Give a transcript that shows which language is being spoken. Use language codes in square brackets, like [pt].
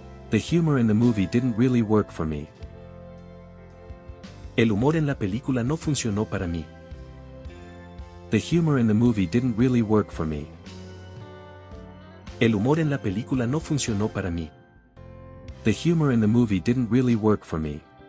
[en] The humor in the movie didn't really work for me. [es] El humor en la película no funcionó para mí. [en] The humor in the movie didn't really work for me. [es] El humor en la película no funcionó para mí. [en] The humor in the movie didn't really work for me.